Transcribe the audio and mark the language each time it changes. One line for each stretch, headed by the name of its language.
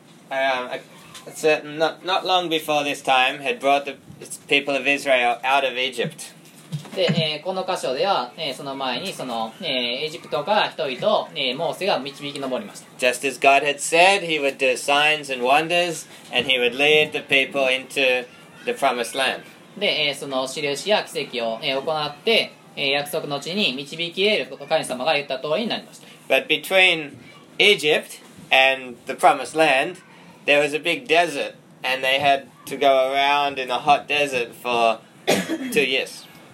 English: Not long before this time had brought the people of Israel out of Egypt.
Japanese: で、この箇所では、その前にその、エジプトから人々を、モーセが導き上りました。
English: Just as God had said, he would do signs and wonders, and he would lead the people into the promised land.
Japanese: で、その印や奇跡を、行って、約束の地に導き得ること、神様が言った通りになりました。
English: But between Egypt and the promised land,There was a big desert, and they had to go around in a hot desert for 2 years.